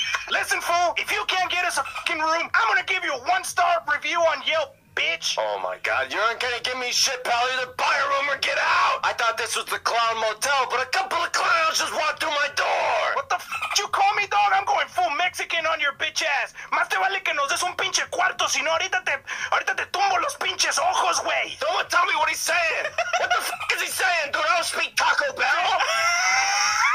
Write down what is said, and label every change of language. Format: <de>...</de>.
<en>Listen, fool, if you can't get us a fucking room, I'm gonna give you a one-star review on Yelp, bitch. Oh my god, you aren't gonna give me shit, pal. Either buy a room or get out. I thought this was the clown motel, but a couple of clowns just walked through my door. What the fuck you call me, dog? I'm going full Mexican on your bitch ass.</en> <es>Más te vale que nos des un pinche cuarto, sino ahorita te tumbo los pinches ojos, güey.</es> <en>Someone tell me what he's saying. What the fuck is he saying, dude? I don't speak Taco Bell.</en>